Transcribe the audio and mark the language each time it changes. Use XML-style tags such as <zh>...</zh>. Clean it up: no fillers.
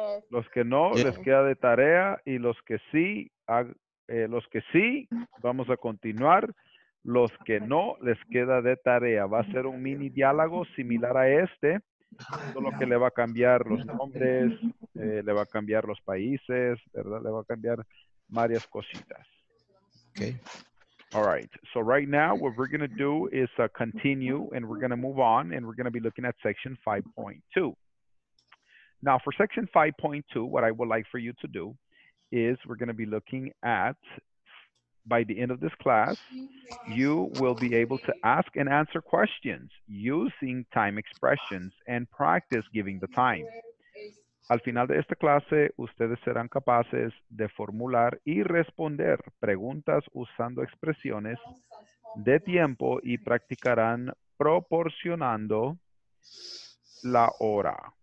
<es>Los que no, yes, les queda de tarea, y los que sí, los que sí, vamos a continuar. Los que no, les queda de tarea. Va a ser un mini diálogo similar a este, solo que le va a cambiar los nombres, le va a cambiar los países, ¿verdad? Le va a cambiar varias cositas.</es> <en>Okay. All right. So right now, what we're going to do is continue, and we're going to move on, and we're going to be looking at section 5.2. Now, for section 5.2, what I would like for you to do is we're going to be looking at, by the end of this class, you will be able to ask and answer questions using time expressions and practice giving the time.</en> <es>Al final de esta clase, ustedes serán capaces de formular y responder preguntas usando expresiones de tiempo y practicarán proporcionando la hora.</es>